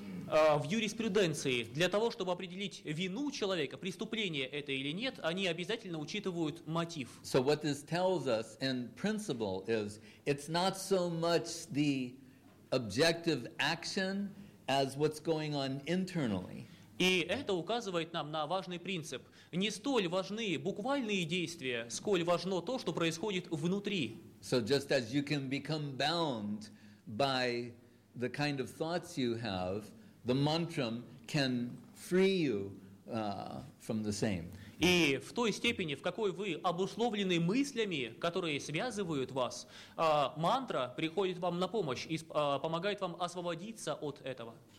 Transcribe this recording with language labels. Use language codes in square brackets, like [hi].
[ru] В юриспруденции для того, чтобы определить вину человека, преступление это или нет, они обязательно учитывают мотив. [en] So what this tells us in principle is it's not so much the objective action as what's going on internally. [ru] И это указывает нам на важный принцип. Не столь важны буквальные действия, сколь важно то, что происходит внутри. [en] So just as you can become bound by the kind of thoughts you have, the mantram can free you from the same. [ru] И в той степени, в какой вы обусловлены мыслями, которые связывают вас, мантра приходит вам на помощь и помогает вам освободиться от этого.